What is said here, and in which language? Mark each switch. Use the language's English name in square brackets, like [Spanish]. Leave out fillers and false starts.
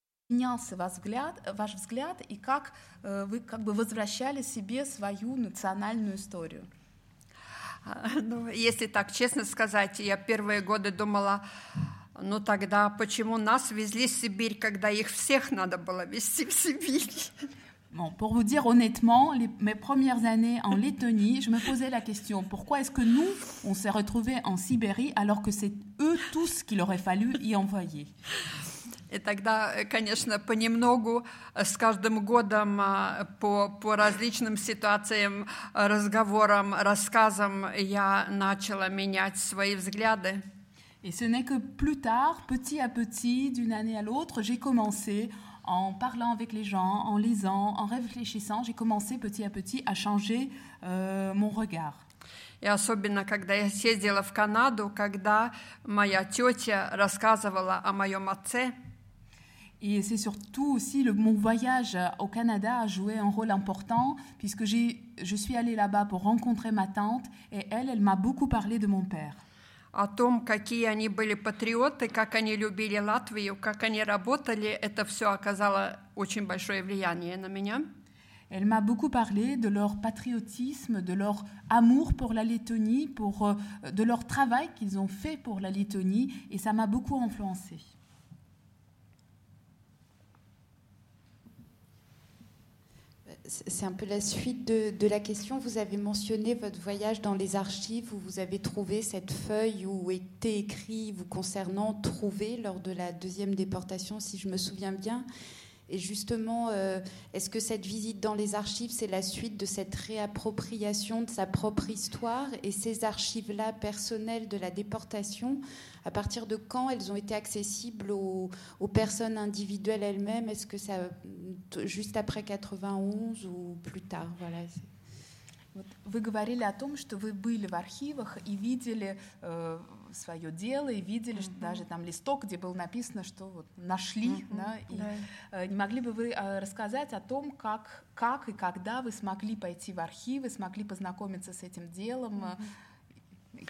[Russian] Менялся ваш взгляд и как вы как бы возвращали себе свою национальную историю? Ну, если так честно сказать, я первые годы думала, ну тогда почему нас везли в Сибирь, когда их всех надо было везти в Сибирь? [French] Bon, pour vous dire honnêtement, mes premières années en Lettonie, je me posais la question, pourquoi est-ce que nous, on s'est retrouvés en Sibérie alors que c'est eux tous qu'il aurait fallu y envoyer? [Russian] И тогда, конечно, понемногу, с каждым годом, по различным ситуациям, разговорам, рассказам, я начала менять свои взгляды. [French] Et ce n'est que plus tard, petit à petit, d'une année à l'autre, j'ai commencé, en parlant avec les gens, en lisant, en réfléchissant, j'ai commencé petit à petit à changer mon regard. [Russian] И особенно, когда я съездила в Канаду, когда моя тетя рассказывала о моем отце. [French] Et c'est surtout aussi mon voyage au Canada a joué un rôle important, puisque je suis allée là-bas pour rencontrer ma tante, et elle m'a beaucoup parlé de mon père. [Russian] О том, какие они были патриоты, как они любили Латвию, как они работали, это все оказало очень большое влияние на меня. [French] Elle m'a beaucoup parlé de leur patriotisme, de leur amour pour la Lettonie, de leur travail qu'ils ont fait pour la Lettonie, et ça m'a beaucoup influencée. C'est un peu la suite de la question. Vous avez mentionné votre voyage dans les archives où vous avez trouvé cette feuille où était écrit vous concernant trouvé lors de la deuxième déportation, si je me souviens bien. Et justement, est-ce que cette visite dans les archives, c'est la suite de cette réappropriation de sa propre histoire et ces archives-là personnelles de la déportation, à partir de quand elles ont été accessibles aux personnes individuelles elles-mêmes ? Est-ce que ça, juste après 91 ou plus tard ? Voilà. [Russian] Вы говорили о том, что вы были в архивах и видели свое дело, и видели mm-hmm. даже там листок, где было написано, что вот нашли. Mm-hmm. Да, и, не могли бы вы рассказать о том, как и когда вы смогли пойти в архивы, смогли познакомиться с этим делом, mm-hmm.